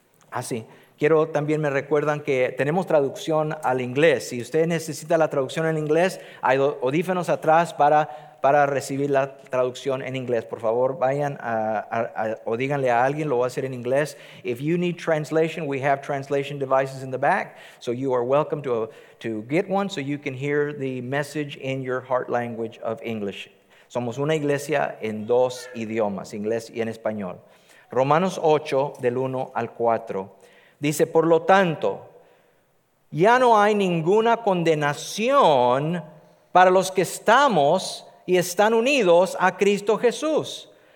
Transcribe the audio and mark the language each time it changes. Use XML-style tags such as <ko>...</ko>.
<es>Así. Quiero también me recuerdan que tenemos traducción al inglés. Si usted necesita la traducción en inglés, hay audífonos atrás para recibir la traducción en inglés. Por favor, vayan o díganle a alguien, lo voy a hacer en inglés.</es> <en>If you need translation, we have translation devices in the back, so you are welcome to get one so you can hear the message in your heart language of English.</en> <es>Somos una iglesia en dos idiomas, inglés y en español. Romanos 8, del 1 al 4. Dice, por lo tanto, ya no hay ninguna condenación para los que estamos y están unidos a Cristo Jesús.</es>